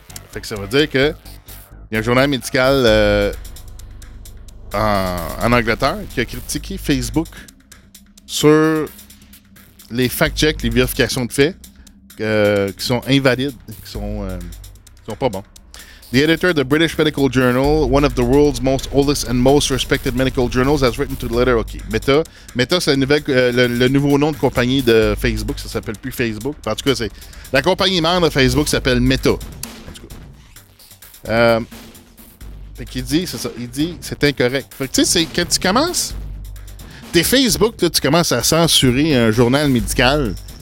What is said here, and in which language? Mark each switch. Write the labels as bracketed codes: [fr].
[fr] Fait que ça veut dire que il y a un journal médical en Angleterre qui a critiqué Facebook sur les fact-checks, les vérifications de faits qui sont invalides, qui sont pas bons. [en] The editor of the British Medical Journal, one of the world's most oldest and most respected medical journals, has written to the letter. [fr] Okay, Meta. Meta, c'est le nouveau nom de compagnie de Facebook. Ça s'appelle plus Facebook. En tout cas, c'est la compagnie mère de Facebook s'appelle Meta. En tout cas. Fait qu'il dit, c'est ça. Il dit, c'est incorrect. Fait que tu sais, c'est quand tu commences. T'es Facebook, là, tu commences à censurer un journal médical.